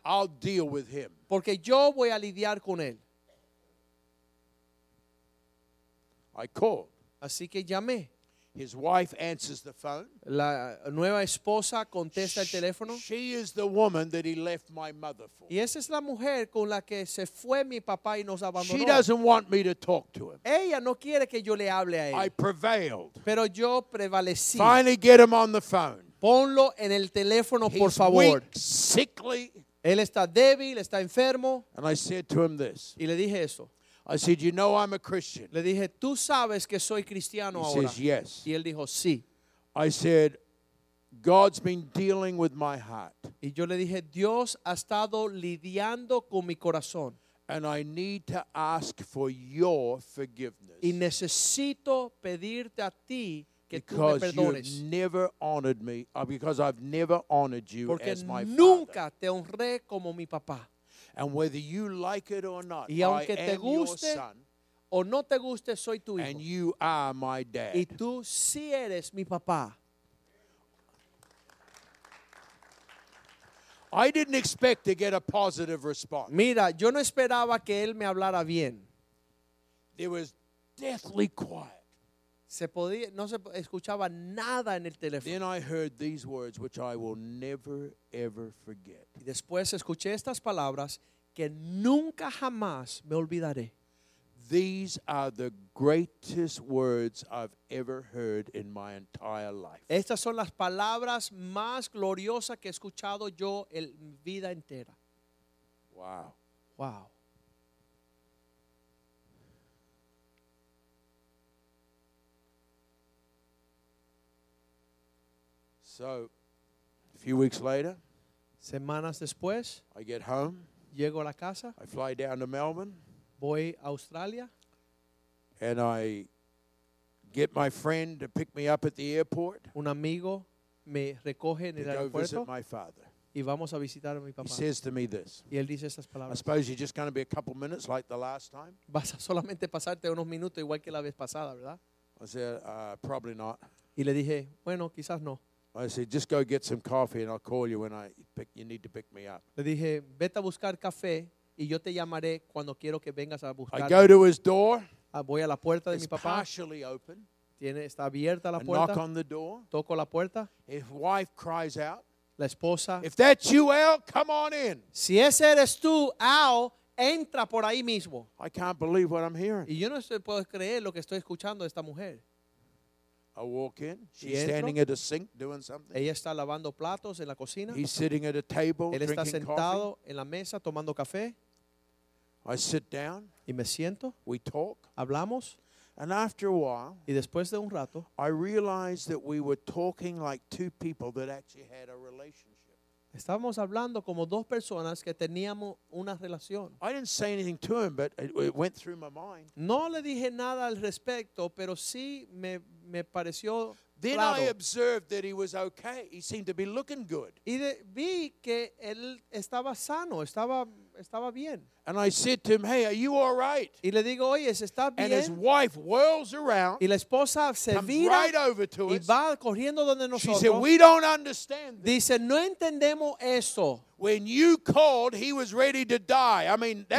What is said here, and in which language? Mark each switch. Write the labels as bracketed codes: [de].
[en] I'll deal with him. [es] Porque yo voy a lidiar con él. [en] I called. [es] Así que llamé. [en] His wife answers the phone. [es] La nueva esposa contesta el teléfono. [en] She is the woman that he left my mother for. [es] Y esa es la mujer con la que se fue mi papá y nos abandonó. [en] She doesn't want me to talk to him. [es] Ella no quiere que yo le hable a él. [en] I prevailed. [es] Pero yo prevalecí. [en] Finally get him on the phone. [es] Ponlo en el teléfono, [en] he's [es] por favor. [en] Weak, sickly. [es] Él está débil, está enfermo. [en] And I said to him this. [es] Y le dije eso. [en] I said, you know I'm a Christian. [es] Le dije, tú sabes que soy cristiano ahora. [en] He says, yes. [es] Y él dijo, sí. [en] I said, God's been dealing with my heart. [es] Y yo le dije, Dios ha estado lidiando con mi corazón. [en] And I need to ask for your forgiveness. [es] Y necesito pedirte a ti que [en] because [es] tú me perdones. [en] You've never honored me, because I've never honored you [es] porque [en] as my [es] nunca [en] father. [es] Te honré como mi papá. [en] And whether you like it or not, [es] y aunque [en] I am [es] te guste, [en] your son. [es] O no te guste, soy tu hijo. [en] And you are my dad. [es] Y tú sí eres mi papá. [en] I didn't expect to get a positive response. [es] Mira, yo no esperaba que él me hablara bien. [en] There was deathly quiet. [es] No se escuchaba nada en el teléfono. [en] Then I heard these words, which I will never ever forget. [es] Y después escuché estas palabras que nunca jamás me olvidaré. [en] These are the greatest words I've ever heard in my entire life. [es] Estas son las palabras más gloriosas que he escuchado yo en mi vida entera. Wow. Wow. [en] So, a few weeks later, [es] semanas después, [en] I get home, [es] llego a la casa, [en] I fly down to Melbourne, [es] voy a Australia, [en] and I get my friend to pick me up at the airport. [es] Un amigo me recoge en el aeropuerto. [en] To go visit my father. [es] Y vamos a visitar a mi papá. [en] He says to me this. [es] Y él dice estas palabras. [en] I suppose you're just going to be a couple minutes like the last time. [es] Vas a solamente pasarte unos minutos igual que la vez pasada, ¿verdad? [en] I said, probably not. [es] Y le dije, bueno, quizás no. [en] I said, just go get some coffee and I'll call you when you need to pick me up. [es] Le dije, vete a buscar café y yo te llamaré cuando quiero que vengas a buscar. [en] I go to his door. [es] Voy a la puerta de [en] it's [es] mi papá. [en] Partially open. [es] está abierta la puerta. [en] Knock on the door. [es] Toco la puerta. [en] His wife cries out. [es] La esposa. [en] If that's you, Al, come on in. [es] Si ese eres tú, Al, entra por ahí mismo. [en] I can't believe what I'm hearing. [es] Y yo no puedo creer lo que estoy escuchando de esta mujer. [en] I walk in. She's standing at a sink doing something. [es] Ella está lavando platos en la cocina. [en] He's sitting at a table drinking coffee. [es] Él está sentado en la mesa tomando café. [en] I sit down. [es] Y me siento. [en] We talk. [es] Hablamos. [en] And after a while, [es] y después de un rato, [en] I realized that we were talking like two people that actually had a relationship. [es] Estábamos hablando como dos personas que teníamos una relación. [en] I didn't say anything to him, but it went through my mind. [es] No le dije nada al respecto, pero sí me pareció [en] then [es] claro. [en] I observed that he was okay. He seemed to be looking good. [es] Y vi que él estaba sano, estaba bien. [en] And I said to him, "Hey, are you all right?" [es] Y le digo, "Oye, ¿está bien?" [en] And his wife whirls around. [es] Y la esposa se vira [en] right over to [es] y [en] us. [es] Va corriendo donde nosotros. [en] She said, "We don't understand." [es] Dice, "No entendemos eso." [en] When you called, he was ready to die. I mean, that